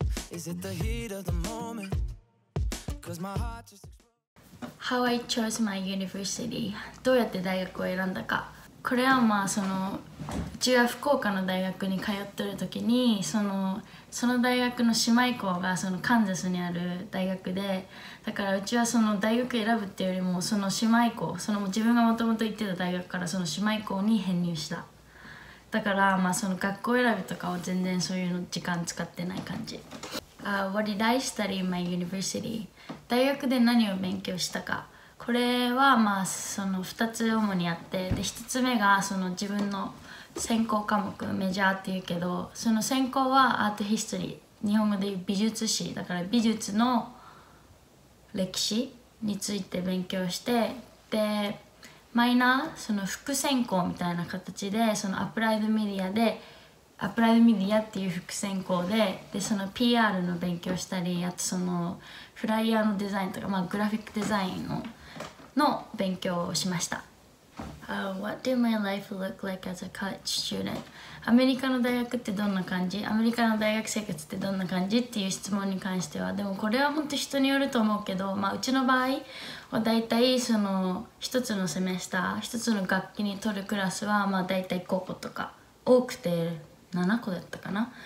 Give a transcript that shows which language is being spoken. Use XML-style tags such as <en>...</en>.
<en>Is it the heat of the moment? Cause my heart just exploded. How I chose my university.</en> <ja>どうやって大学を選んだか。これはまあそのうちが福岡の大学に通ってる時に、その大学の姉妹校がそのカンザスにある大学で、だからうちはその大学選ぶっていうよりもその姉妹校、その自分がもともと行ってた大学からその姉妹校に編入した。だからまあその学校選びとかを全然そういうの時間使ってない感じ。</ja> <en>What did I study in my university?</en> <ja>大学で何を勉強したか。これはまあその2つ主にあって、で1つ目がその自分の専攻科目、メジャーっていうけど、その専攻はアートヒストリー、日本語で言う美術史だから、美術の歴史について勉強して、でマイナー、その副専攻みたいな形で、そのアプライドメディアっていう副専攻で、でその PR の勉強したり、あとそのフライヤーのデザインとか、まあグラフィックデザインの勉強をしました。</ja> <en>What did my life look like as a college student?</en> <ja>アメリカの大学ってどんな感じ？アメリカの大学生活ってどんな感じ？っていう質問に関しては、でもこれは本当人によると思うけど、まあうちの場合はだいたいその一つのセメスター、一つの学期に取るクラスはまあだいたい5個とか、多くて7個だったかな。</ja>